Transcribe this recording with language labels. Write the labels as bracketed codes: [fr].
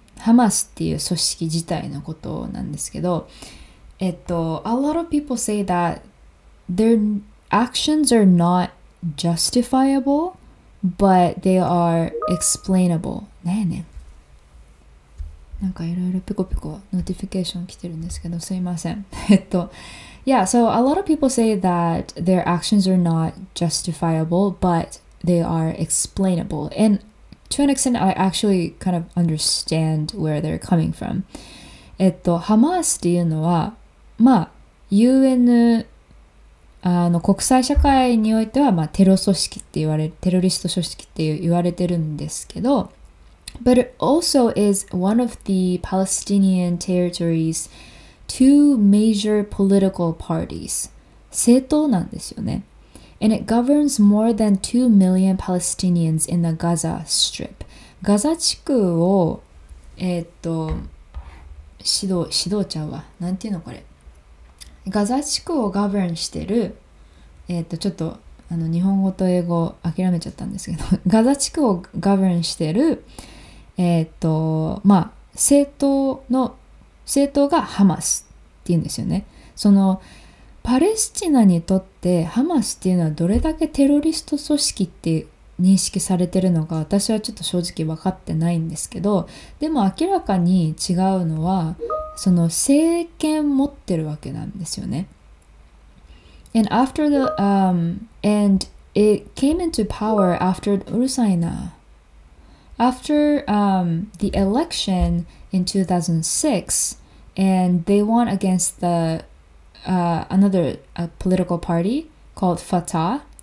[ja] Hamas っていう組織自体のことなんですけど、 [en] A lot of people say that their actions are not justifiable, but they are explainable. [ja] なんやねん。なんかいろいろピコピコノーティフィケーション来てるんですけど、すいません。 [en] Yeah, so a lot of people say that their actions are not justifiable, but they are explainable. And to an extent, I actually kind of understand where they're coming from. [ja] Hamas っていうのは、まあ、UN あの国際社会においては、まあ、テロ組織って言われテロリスト組織って言われてるんですけど、 [en] But it also is one of the Palestinian territories two major political parties. [ja] 政党なんですよね。 [en] And it governs more than 2 million Palestinians in the Gaza Strip. [ja] ガザ地区を、指導ちゃうわ、なんていうのこれ、ガザ地区をガバンしてる、ちょっとあの日本語と英語諦めちゃったんですけど、ガザ地区をガバンしてる、政党がハマスっていうんですよね。そのパレスチナにとってハマスっていうのはどれだけテロリスト組織って認識されてるのか、私はちょっと正直分かってないんですけど、でも明らかに違うのは、その政権持ってるわけなんですよね。 [en] And after the and it came into power after [ja] うるさいな [en] after the election in 2006 and they won against the another political party called Fatah.